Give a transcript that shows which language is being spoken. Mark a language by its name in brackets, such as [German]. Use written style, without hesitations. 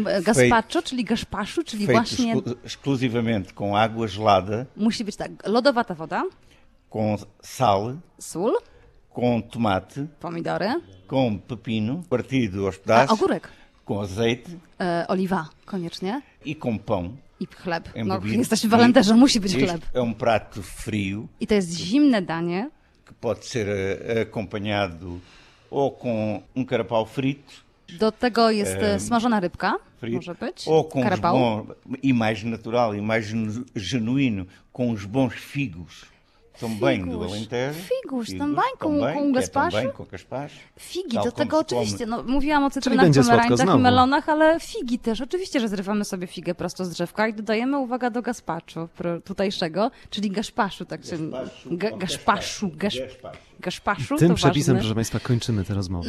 [Polish] Gaspacho, czyli gaspacho, czyli właśnie [Portuguese] exclusivamente com água gelada. [Polish] Musi być tak, lodowata woda. [Portuguese] Com sal. [Polish] Sol. [Portuguese] Com tomate. [Polish] Pomidory. [Portuguese] Com pepino, partido aos pedaços. [Polish] A ogórek. [Portuguese] Com azeite. [Polish] Oliwa, koniecznie. [Portuguese] E com pão. [Polish] I chleb. Embobido. No, jesteś w Alentejo, musi być chleb. [Portuguese] É um prato frio. [Polish] I to jest zimne danie. [Portuguese] Que pode ser acompanhado ou com carapau frito. [Polish] Do tego jest smażona rybka, frito, może być. [Portuguese] Ou com carapau. Bons, e mais natural, e mais genuíno, com os bons figos. Também figos, do Alentejo. Figos, também com gaspacho. Também com gaspacho. [Polish] Figi, do tego oczywiście. No, mówiłam o cytrynach, pomarańczach i melonach, ale figi też. Oczywiście, że zrywamy sobie figę prosto z drzewka i dodajemy, uwaga, do gaspacho tutajszego, czyli gaspacho. Tak, gaspacho. Gaspacho. Tym przepisem, proszę Państwa, kończymy tę rozmowę.